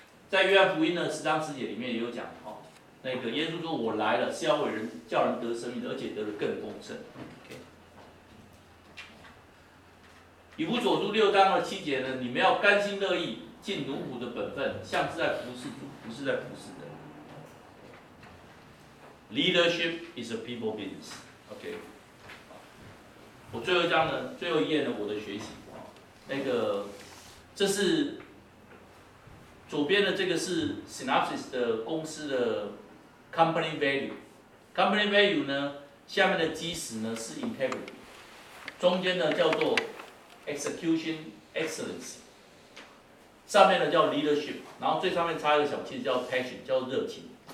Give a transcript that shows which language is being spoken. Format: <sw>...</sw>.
<zh>在约翰福音的十章十节里面也有讲。那个耶稣说：“我来了，是要为人叫人得生命，而且得的更丰盛。 ”以弗所书六章二七节呢，你们要甘心乐意尽奴仆的本分，像是在服侍主，不是在服侍人。</zh> <en>Leadership is a people business. OK。</en> <zh>我最后一章呢，最后一页呢，我的学习，那个这是左边的这个是 Synopsis 的公司的。 Company value，Company value 呢？下面的基石呢是 integrity， 中间呢叫做 execution excellence， 上面呢叫 leadership， 然后最上面插一个小切叫 passion， 叫热情。</zh>